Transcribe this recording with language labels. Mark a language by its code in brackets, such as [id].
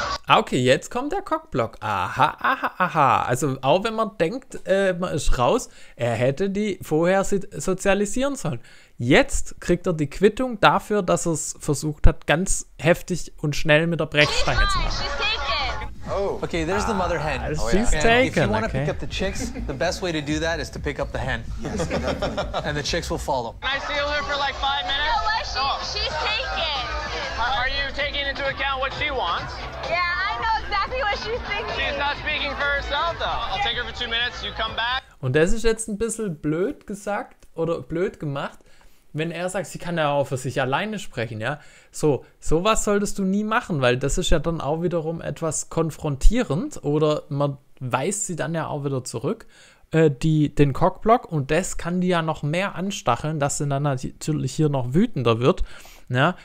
[de] Okay, jetzt kommt der Cockblock. Aha, aha, aha. Also auch wenn man denkt, man ist raus, er hätte die vorher sozialisieren sollen. Jetzt kriegt er die Quittung dafür, dass er es versucht hat, ganz heftig und schnell mit der Brechstange zu machen. [en] Oh. Okay, there's the mother hen. She's taken. If you want to pick up the chicks, the best way to do that is to pick up the hen. And the chicks will follow. Can I steal her for like 5 minutes? No, she's taken. Are you taking into account what she wants? Yeah, I know exactly what she's thinking. She's not speaking for herself, though. I'll take her for 2 minutes, you come back. [de] Und das ist jetzt ein bisschen blöd gesagt oder blöd gemacht. Wenn er sagt, sie kann ja auch für sich alleine sprechen, ja. So, sowas solltest du nie machen, weil das ist ja dann auch wiederum etwas konfrontierend oder man weist sie dann ja auch wieder zurück, den Cockblock, und das kann die ja noch mehr anstacheln, dass sie dann natürlich hier noch wütender wird, ja.